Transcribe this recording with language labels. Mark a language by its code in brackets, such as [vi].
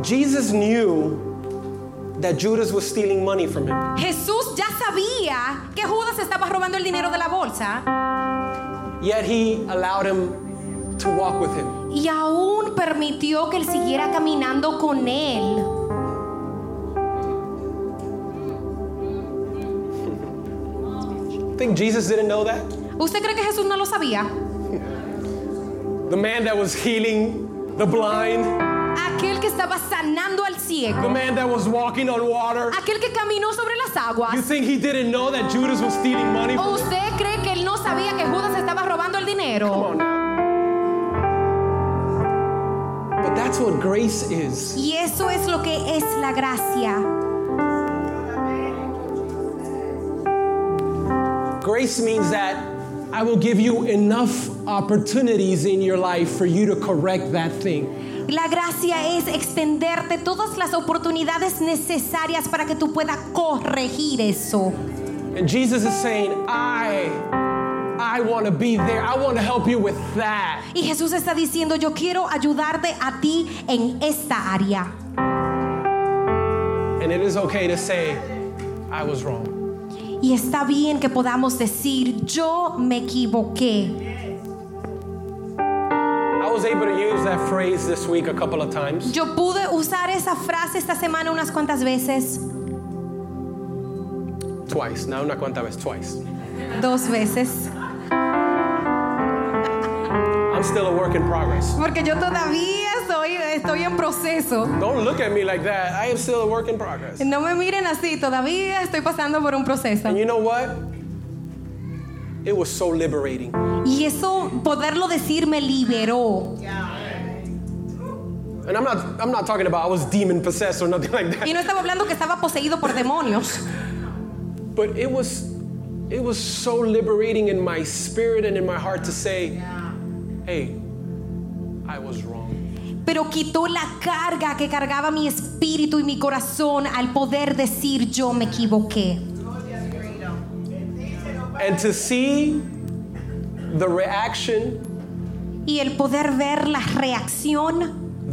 [en] Jesus knew that Judas was stealing money from him. [es] Jesús ya sabía que Judas estaba robando el dinero de la bolsa. [en] Yet he allowed him to walk with him. [es] Y aún permitió que él siguiera caminando con él. [en] Think Jesus didn't know that? [es] ¿Usted cree que Jesús no lo sabía? [en] The man that was healing the blind. [es] Aquel que estaba sanando al ciego. [en] The man that was walking on water. [es] Aquel que caminó sobre las aguas. [en] You think he didn't know that Judas was stealing money? [es] ¿O usted cree que él no sabía que Judas estaba robando el dinero? [en] Come on now. But that's what grace is. [es] Y eso es lo que es la gracia. [en] Grace means that I will give you enough opportunities in your life for you to correct that thing. [es] La gracia es extenderte todas las oportunidades necesarias para que tú puedas corregir eso. [en] And Jesus is saying, I want to be there. I want to help you with that. [es] Y Jesús está diciendo, yo quiero ayudarte a ti en esta área. [en] And it is okay to say, I was wrong. [es] Y está bien que podamos decir, yo me equivoqué. [en] I was able to use that phrase this week a couple of times. [es] Yo pude usar esa frase esta semana unas cuantas veces. [en] Twice, [es] no una cuanta vez, [en] twice. [es] Dos veces. [en] I'm still a work in progress. [es] Porque yo todavía estoy en proceso. [en] Don't look at me like that. I am still a work in progress. [es] No me miren así, todavía estoy pasando por un proceso. [en] And you know what? It was so liberating. [es] Y eso poderlo decir me liberó. [en] And I'm not talking about I was demon possessed or nothing like that. [es] Y no estaba hablando que estaba poseído por demonios. [en] But it was so liberating in my spirit and in my heart to say, hey, I was wrong. [es] Pero quitó la carga que cargaba mi espíritu y mi corazón al poder decir yo me equivoqué. [en] And to see the reaction, [es] y el poder ver la reacción,